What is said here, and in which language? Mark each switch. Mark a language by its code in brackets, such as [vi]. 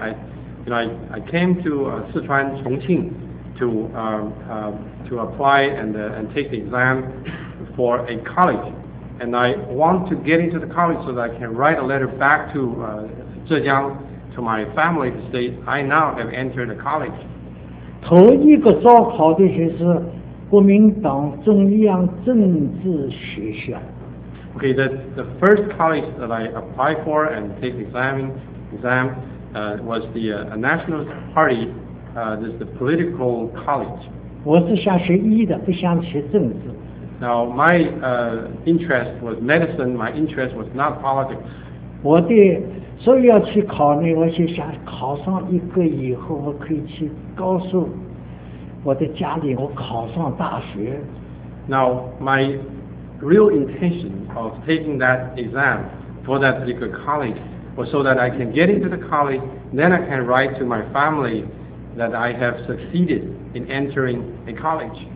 [en] I came to Sichuan, Chongqing, to apply and take the exam for a college. And I want to get into the college so that I can write a letter back to Zhejiang, to my family, to say I now have entered a college. [zh] 头一个招考的学是国民党中央政治学校。 [en] Okay, the first college that I applied for and take the exam was the National Party, this is the political college. [zh] 我是想学医的，不想学政治。 [en] Now, my interest was medicine, my interest was not politics. [zh] 我的，所以要去考呢，我就想考上一个以后，我可以去告诉我的家里，我考上大学。 [en] Now, my real intention of taking that exam for that particular college was so that I can get into the college, then I can write to my family that I have succeeded in entering a college.